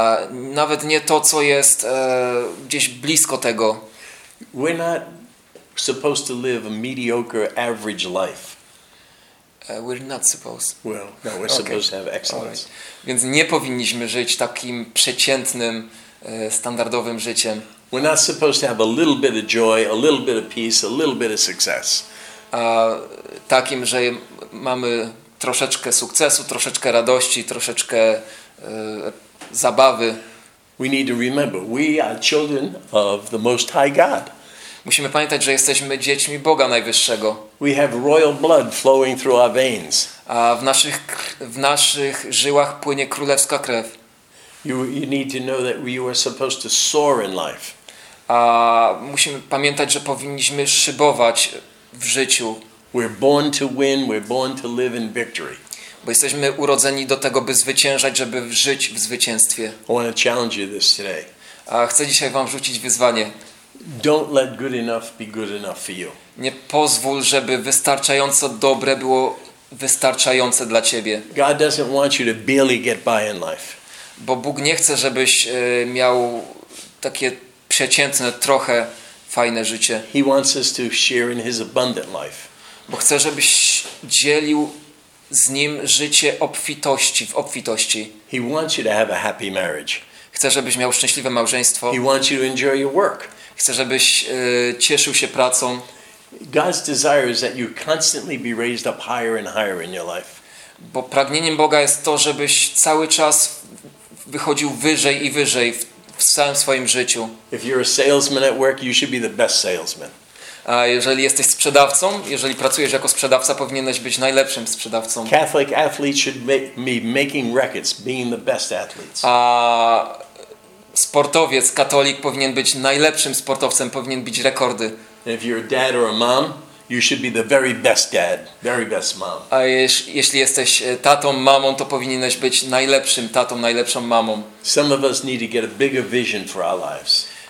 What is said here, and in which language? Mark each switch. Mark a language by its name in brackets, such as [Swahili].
[Polish] Nawet nie to, co jest gdzieś blisko tego. [English] We're not supposed to live a mediocre, average life. We're not supposed. Well, no, we're supposed to have excellence. Right. [Polish] Więc nie powinniśmy żyć takim przeciętnym, standardowym życiem. [English] We're not supposed to have a little bit of joy, a little bit of peace, a little bit of success. [Polish] A takim, że mamy troszeczkę sukcesu, troszeczkę radości, troszeczkę zabawy. [English] We need to remember, we are children of the Most High God. [Polish] Musimy pamiętać, że jesteśmy dziećmi Boga Najwyższego. [English] We have royal blood flowing through our veins. [Polish] A w naszych żyłach płynie królewska krew. [English] You need to know that we are supposed to soar in life. [Polish] A musimy pamiętać, że powinniśmy szybować w życiu. [English] We're born to win, we're born to live in victory. [Polish] Bo jesteśmy urodzeni do tego, by zwyciężać, żeby żyć w zwycięstwie. [English] I want to challenge you this today. [Polish] A chcę dzisiaj wam rzucić wyzwanie. [English] Don't let good enough be good enough for you. [Polish] Nie pozwól, żeby wystarczająco dobre było wystarczające dla ciebie. [English] God doesn't want you to barely get by in life. [Polish] Bo Bóg nie chce, żebyś miał takie przeciętne, trochę fajne życie. [English] He wants us to share in his abundant life. [Polish] Bo chce, żebyś dzielił z nim życie obfitości, w obfitości. [English] He wants you to have a happy marriage. [Polish] Chce, żebyś miał szczęśliwe małżeństwo. [English] He wants you to enjoy your work. [Polish] Chce, żebyś cieszył się pracą. [English] God's desire is that you constantly be raised up higher and higher in your life. [Polish] Bo pragnieniem Boga jest to, żebyś cały czas wychodził wyżej i wyżej w całym swoim życiu. [English] If you're a salesman at work, you should be the best salesman. [Polish] A jeżeli jesteś sprzedawcą, jeżeli pracujesz jako sprzedawca, powinieneś być najlepszym sprzedawcą. [English] Catholic athletes should be making records, being the best athletes. [Polish] A sportowiec, katolik powinien być najlepszym sportowcem, powinien bić rekordy. [English] If you're a dad or a mom, you should be the very best dad, very best mom. [Polish] A jeśli jesteś tatą, mamą, to powinieneś być najlepszym tatą, najlepszą mamą. [English] Some of us need to get a bigger vision for our lives.